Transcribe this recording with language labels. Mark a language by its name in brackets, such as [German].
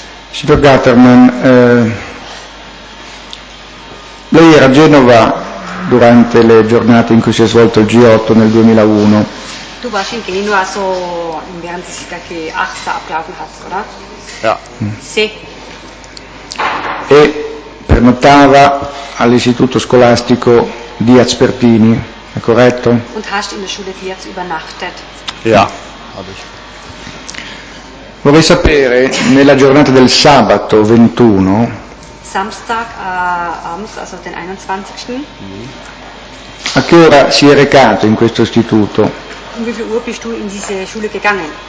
[Italian] Signor Gatterman, lei era a Genova durante le giornate in cui si è svolto il G8 nel 2001. [German] Tu warst in Genova so in während des Tage 8 abgelaufen hat, oder? Ja. [Italian] Sì. E prenotava all'istituto scolastico Diaz Pertini, è corretto? [German] Und hast in der Schule Diaz übernachtet? Ja. [Italian] Vorrei sapere, nella giornata del sabato 21, [German] Samstag abends, also den 21. [Italian] A che ora si è recato in questo istituto? [German] Um wie viel Uhr bist du in diese Schule gegangen?